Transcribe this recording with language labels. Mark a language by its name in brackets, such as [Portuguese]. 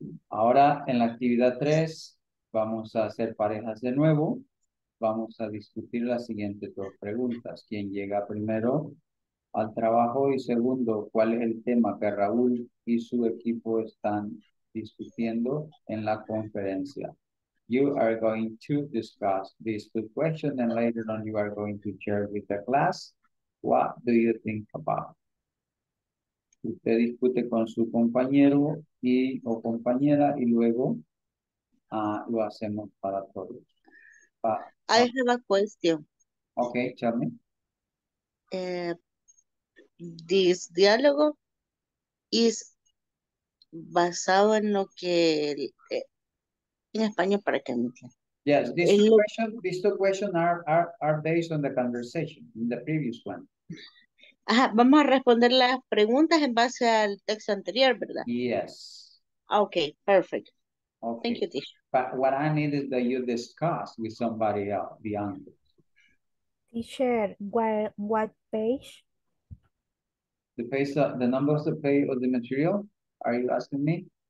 [Spanish] Ahora, en la actividad 3, vamos a hacer parejas de nuevo. Vamos a discutir las siguientes dos preguntas. ¿Quién llega primero al trabajo? Y segundo, ¿cuál es el tema que Raúl y su equipo están discutiendo en la conferencia? [English] You are going to discuss these two questions and later on you are going to share with the class. What do you think about? [Spanish] Usted discute con su compañero y o compañera y luego lo hacemos para todos. [English] I have a question. Okay, tell me. This dialogue is [Spanish] basado en lo que en español para que me entiendan. [English] Yes, these two questions are based on the conversation, in the previous one. [Spanish] Ajá, vamos a responder las preguntas en base al texto anterior, ¿verdad? [English] Yes. Okay, perfect. Okay. Thank you, teacher. But what I need is that you discuss with somebody else, the English. Teacher, what page? The page, the number of the page of the material? Are you asking me?